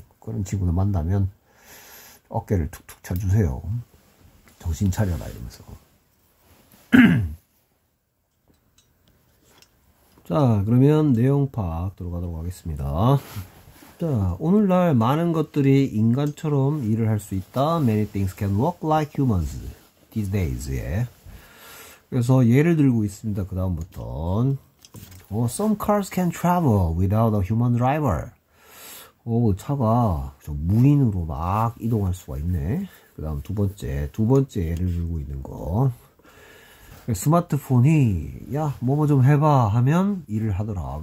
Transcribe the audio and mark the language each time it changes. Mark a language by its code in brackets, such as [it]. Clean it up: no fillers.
[ko] 그런 친구들 만나면 어깨를 툭툭 쳐주세요. 정신 차려라 이러면서. 자, 그러면 내용 파악 들어가도록 하겠습니다. 자, 오늘날 많은 것들이 인간처럼 일을 할 수 있다. [en] Many things can work like humans these days. [ko] 예. 그래서 예를 들고 있습니다. 그 다음부터. [en] Some cars can travel without a human driver. [ko] 오, 차가 저 무인으로 막 이동할 수가 있네. 그 다음 두 번째 예를 들고 있는 거. 스마트폰이 야 뭐뭐 좀 해봐 하면 일을 하더라.